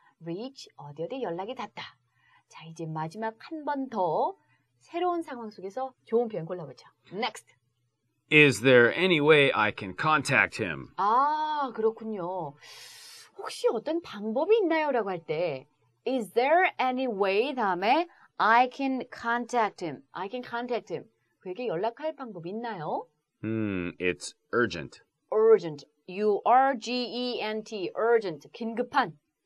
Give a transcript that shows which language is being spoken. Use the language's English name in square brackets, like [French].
[Korean] reach 어디 어디 연락이 닿다. 자 이제 마지막 한 번 더 새로운 상황 속에서 좋은 표현 골라보죠. [English] next. Is there any way I can contact him? [Korean] 아, 그렇군요. 혹시 어떤 방법이 있나요? 라고 할 때 [English] Is there any way [Korean] 다음에 [English] I can contact him? I can contact him. [Korean] 그에게 연락할 방법이 있나요? [English] It's urgent. Urgent. U-R-G-E-N-T. Urgent. [Korean] 긴급한.